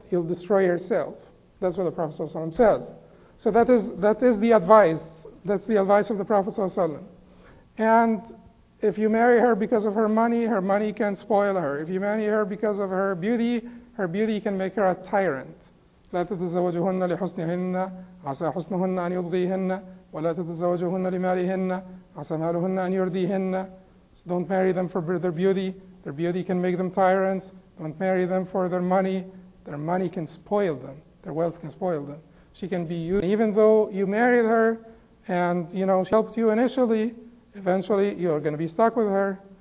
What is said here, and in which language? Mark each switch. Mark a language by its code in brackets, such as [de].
[en] You'll destroy yourself. That's what the Prophet ﷺ says. So that is the advice. That's the advice of the Prophet ﷺ. And if you marry her because of her money can spoil her. If you marry her because of her beauty can make her a tyrant. [ar] لا تتزوجهن لحسنهن عسى حسنهن أن يضغيهن ولا تتزوجهن لمالهن عسى مالهن أن يرضيهن. [en] So don't marry them for their beauty. Their beauty can make them tyrants. Don't marry them for their money. Their money can spoil them. Their wealth can spoil them. She can be used. Even though you married her and, you know, she helped you initially, eventually you're going to be stuck with her.